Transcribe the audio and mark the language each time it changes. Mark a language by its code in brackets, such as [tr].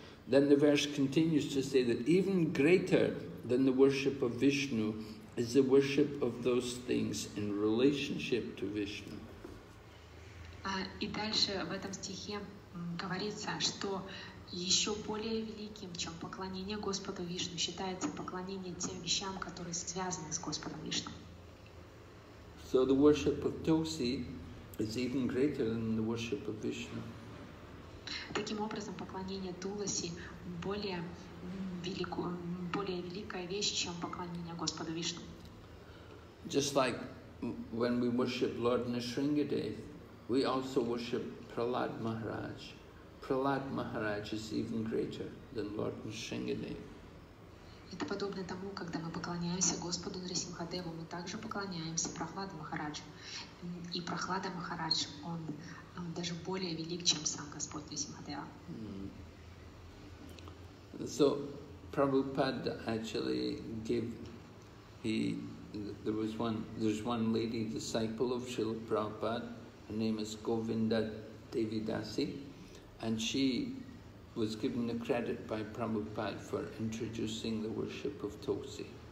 [en] Then the verse continues to say that even greater than the worship of Vishnu is the worship of those things in relationship to Vishnu. [ru] И дальше в этом стихе говорится, что еще более великим, чем поклонение Господу Вишну, считается поклонение тем вещам, которые связаны с Господом Вишну. [en] So the worship of Tulsi is even greater than the worship of Vishnu. [ru] Таким образом, поклонение Туласи более великая вещь, чем поклонение Господу Вишну. [en] Just like when we worship Lord Nisringadev, we also worship Prahlad Maharaj. Prahlad Maharaj is even greater than Lord Nisringadev. [ru] Это подобно тому, когда мы поклоняемся Господу Нарисимхадеву, мы также поклоняемся Прахладу Махараджу. И Прахлада Махарадж, он даже более велик, чем сам Господь Нарисимхадева. [en] So, Prabhupada actually gave, there's one lady disciple of Srila Prabhupada, her name is Govinda Devidasi, and she was given the credit by Prabhupada for introducing the worship of Tulsi.